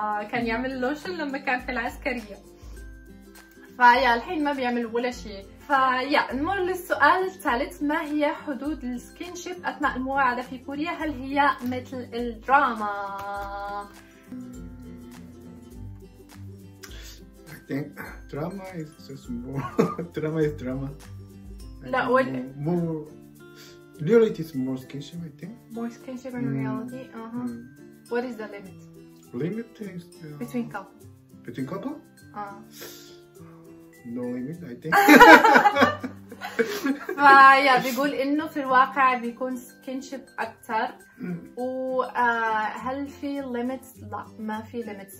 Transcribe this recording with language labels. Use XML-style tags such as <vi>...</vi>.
<ar>كان يعمل لوشن لما كان في العسكرية. فيا الحين ما بيعمل ولا شيء. فيا نمر للسؤال الثالث، ما هي حدود السكين شيب أثناء المواعدة في كوريا؟ هل هي مثل الدراما؟</ar> <en>Think drama is just more drama is drama. No, what? More reality is more skinship, I think. More skinship and reality. What is the limit? Limit is between couple. Between couple? No limit, I think.</en> <ar>فا يا بيقول انه في الواقع بيكون كينشيب اكثر. وهل في ليميتس؟ لا ما في ليميتس.</ar>